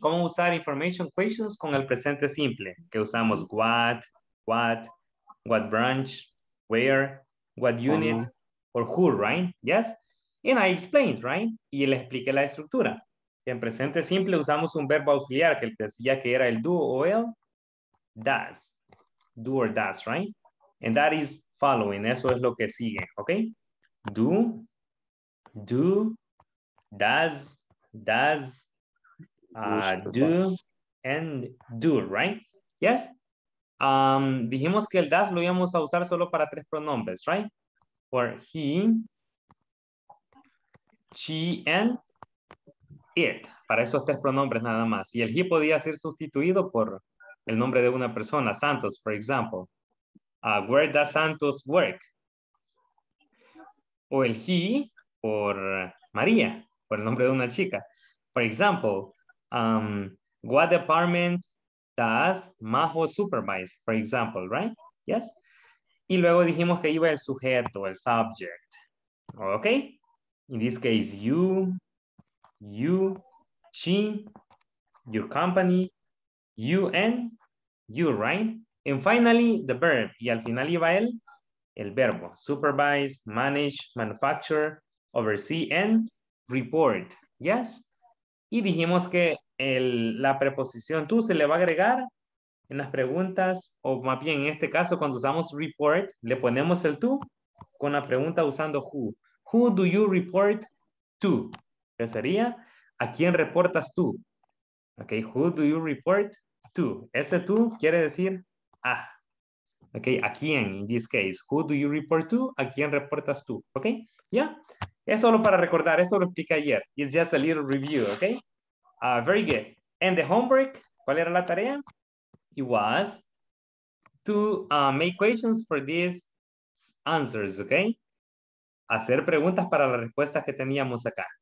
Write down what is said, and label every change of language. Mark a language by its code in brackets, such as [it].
[es] ¿Cómo usar [en] information questions [es] con el presente simple? Que usamos [en] what, what branch, where, what unit, or who, right? Yes? And I explained, right? [es] Y le expliqué la estructura. En presente simple usamos un verbo auxiliar que decía que era el do o el does. [en] Do or does, right? And that is following. [es] Eso es lo que sigue, [en] ¿ok? Do, do, does, does, do, and do, right? [es] Yes? Dijimos que el does lo íbamos a usar solo para tres pronombres, right? [en] For he, she, and it. [es] Para esos tres pronombres nada más. Y el he podía ser sustituido por el nombre de una persona, Santos, [en] for example. Where does Santos work? [es] O el he por María, por el nombre de una chica. [en] For example, what department does Majo supervise? For example, right? Yes? [es] Y luego dijimos que iba el sujeto, el subject. [en] Okay? In this case, you, you, she, your company, you and you, right? And finally, the verb. [es] Y al final iba el verbo. [en] Supervise, manage, manufacture, oversee, and report. Yes? [es] Y dijimos que la preposición to se le va a agregar en las preguntas, o más bien en este caso, cuando usamos report, le ponemos el to con la pregunta usando who. [en] Who do you report to? [es] ¿Qué sería? ¿A quién reportas tú? [en] Ok, who do you report to? [es] Ese tú quiere decir a. Ok, ¿a quién? [en] In this case, who do you report to? [es] ¿A quién reportas tú? Ok, ya. Yeah. Es solo para recordar, esto lo expliqué ayer. [en] It's just a little review, ok? Very good. And the homework, [es] ¿cuál era la tarea? [en] It was to make questions for these answers, ok? [es] Hacer preguntas para las respuestas que teníamos acá.